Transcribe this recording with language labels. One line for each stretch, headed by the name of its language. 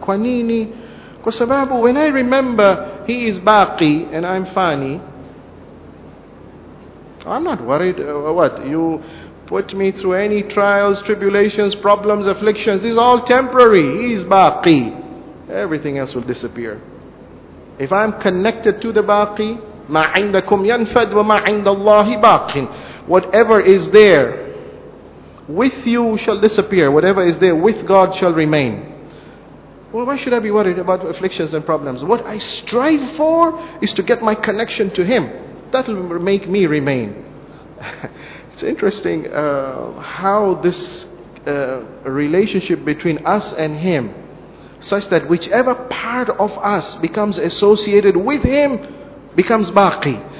Swahili: Kwanini, kwa sababu,
English: when I remember He is baqi and I'm fani, I'm not worried. What? You put me through any trials, tribulations, problems, afflictions. This is all temporary. He is baqi. Everything else will disappear. If I'm connected to the baqi,
Arabic: مَا عِنْدَكُمْ يَنْفَدْ وَمَا عِنْدَ اللَّهِ بَاقٍ.
English: Whatever is there with you shall disappear. Whatever is there with God shall remain. Well, why should I be worried about afflictions and problems? What I strive for is to get my connection to Him. That will make me remain. It's interesting how this relationship between us and Him, such that whichever part of us becomes associated with Him, becomes baqi.